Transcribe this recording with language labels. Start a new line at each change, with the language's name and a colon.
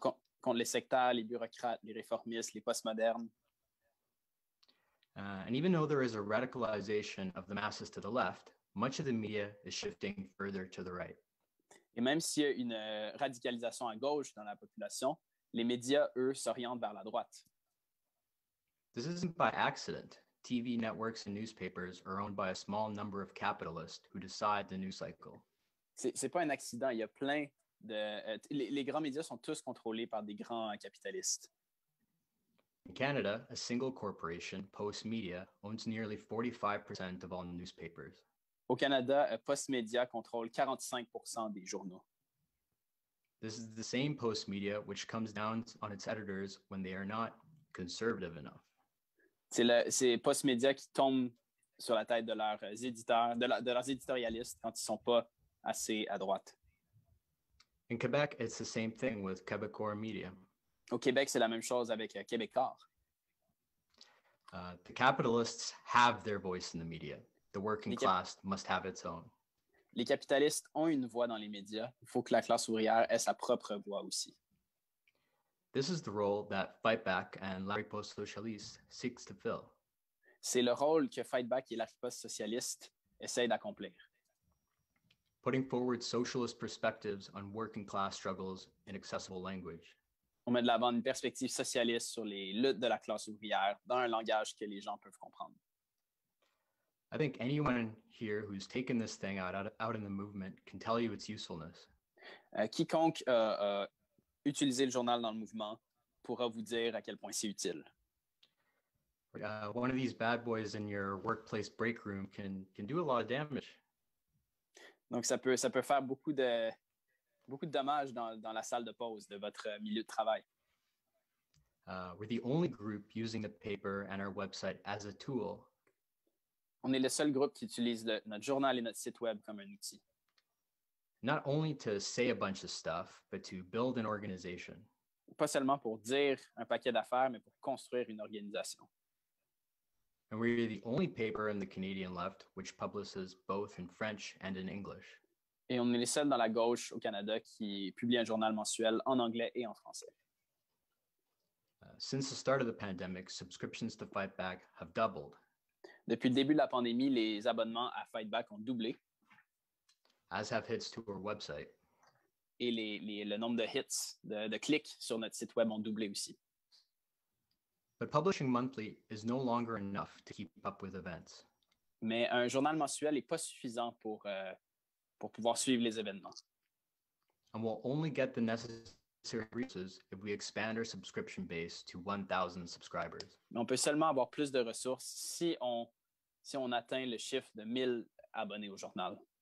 French: Donc, contre les sectaires, les bureaucrates, les réformistes, les postmodernes.
English: And even though there is a radicalization of the masses to the left, much of the media is shifting further to the right.
French: Et même s'il y a une radicalisation à gauche dans la population, les médias, eux, s'orientent vers la droite.
English: This isn't by accident. TV networks and newspapers are owned by a small number of capitalists who decide the news cycle.
French: C'est pas un accident. Il y a plein de... les grands médias sont tous contrôlés par des grands capitalistes.
English: In Canada, a single corporation, Post Media, owns nearly 45% of all newspapers.
French: Au Canada, Post Media contrôle 45% des journaux.
English: This is the same Post Media which comes down on its editors when they are not conservative enough.
French: C'est Post Media qui tombe sur la tête de leurs éditeurs, de leurs éditorialistes quand ils sont pas assez à droite.
English: In Quebec, it's the same thing with Quebecor Media.
French: Au Québec, c'est la même chose avec Québécois.
English: The capitalists have their voice in the media. The working class must have its own.
French: Les capitalistes ont une voix dans les médias. Il faut que la classe ouvrière ait sa propre voix aussi.
English: This is the role that Fight Back and La Riposte Socialiste seeks to fill.
French: C'est le rôle que Fight Back et La Riposte Socialiste essayent d'accomplir.
English: Putting forward socialist perspectives on working class struggles in accessible language.
French: On met de l'avant une perspective socialiste sur les luttes de la classe ouvrière dans un langage que les gens peuvent comprendre.
English: I think anyone here who's taken this thing out in the movement can tell you its usefulness.
French: Quiconque a utilisé le journal dans le mouvement pourra vous dire à quel point c'est utile.
English: One of these bad boys in your workplace break room can do a lot of damage.
French: Donc ça peut faire beaucoup de dommages dans la salle de pause de votre milieu de travail.
English: We're the only group using the paper and our website as a tool.
French: On est le seul groupe qui utilise notre journal et notre site web comme un outil.
English: Not only to say a bunch of stuff, but to build an organization.
French: Pas seulement pour dire un paquet d'affaires, mais pour construire une organisation.
English: And we're the only paper in the Canadian left which publishes both in French and in English.
French: Et on est les seuls dans la gauche au Canada qui publie un journal mensuel en anglais et en français.
English: Since the start of the pandemic, subscriptions to Fight Back have doubled.
French: Depuis le début de la pandémie, les abonnements à Fight Back ont doublé.
English: As have hits to our website.
French: Et le nombre de hits, de clics sur notre site web ont doublé aussi.
English: But publishing monthly is no longer enough to keep up with events.
French: Mais un journal mensuel n'est pas suffisant pour pouvoir suivre les événements.
English: And we'll only get the necessary resources if we expand our subscription base to 1,000 subscribers.
French: Mais on peut seulement avoir plus de ressources si on atteint le chiffre de 1,000 abonnés au journal.